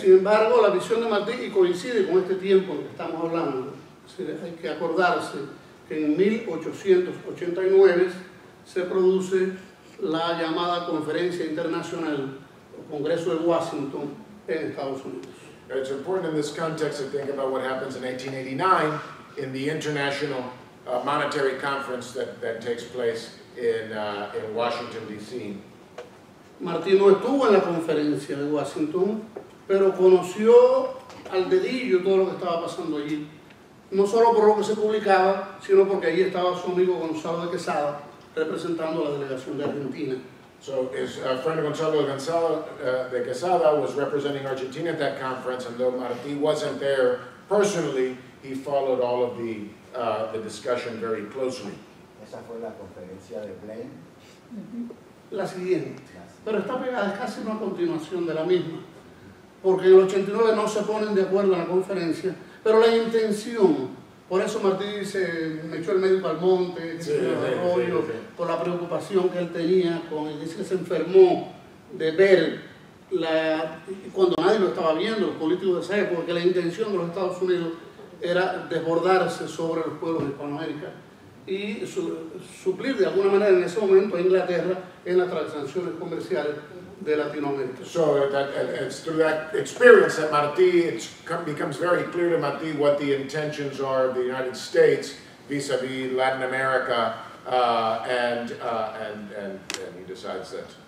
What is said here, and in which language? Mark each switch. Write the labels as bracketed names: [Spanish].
[Spanish] Sin embargo, la visión de Martí, y coincide con este tiempo en que estamos hablando, hay que acordarse que en 1889 se produce la llamada Conferencia Internacional, o Congreso de Washington, en Estados Unidos. [English] It's important in this context to think about what happens in 1889 in the International Monetary Conference that takes place in Washington, D.C. [Spanish] Martí no estuvo en la Conferencia de Washington, pero conoció al dedillo todo lo que estaba pasando allí, no solo por lo que se publicaba, sino porque allí estaba su amigo Gonzalo de Quesada, representando la delegación de Argentina. [English] So his friend Gonzalo de Quesada was representing Argentina at that conference, and though Martí wasn't there personally, he followed all of the discussion very closely. [Spanish] Esa fue la conferencia de Blaine. La siguiente. Pero está pegada, es casi una continuación de la misma. Porque en el 89 no se ponen de acuerdo en la conferencia, pero la intención, por eso Martí se me echó el médico al monte, por la preocupación que él tenía, dice que se enfermó de ver la, cuando nadie lo estaba viendo, los políticos de esa época, porque la intención de los Estados Unidos era desbordarse sobre los pueblos de Hispanoamérica y suplir de alguna manera en ese momento a Inglaterra en las transacciones comerciales de Latinoamérica. [English] So that, it's through that experience that Martí, it becomes very clear to Martí what the intentions are of the United States vis-a-vis Latin America, and he decides that.